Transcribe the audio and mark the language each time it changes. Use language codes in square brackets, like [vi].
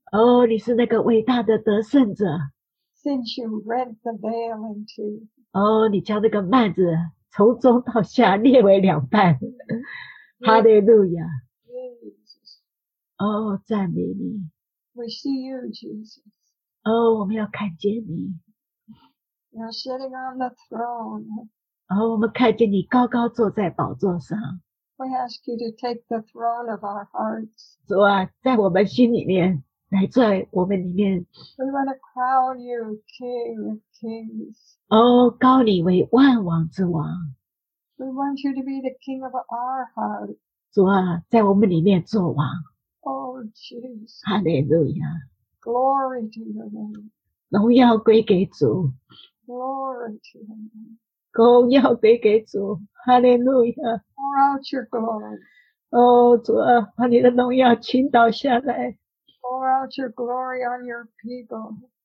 [zh] 哦，你是那个伟大的得胜者。 [en] Since you rent the veil in two. [zh] 哦，你将那个幔子从中到下裂为两半。 [en] Hallelujah. Jesus. [zh] 哦，赞美你。 [en] We see you, Jesus. [zh] 哦，我们要看见你。 [en] You're sitting on the throne. [zh] 哦，我们看见你高高坐在宝座上。 [en] We ask you to take the throne of our hearts. [zh] 主啊，在我们心里面，来坐在我们里面。 [en] We want to crown you King of Kings. [zh] 哦，高你为万王之王。 [en] We want you to be the King of our heart. [zh] 主啊，在我们里面做王。 [en] Oh, Jesus. Hallelujah. Glory to your name. [zh] 荣耀归给主。 [en] 哦，glory to him. [zh] 荣耀归给主，哈利路亚。 [en] Pour out your glory. [zh] 哦，主啊，把你的荣耀倾倒下来。 [en] Pour out your glory on your people.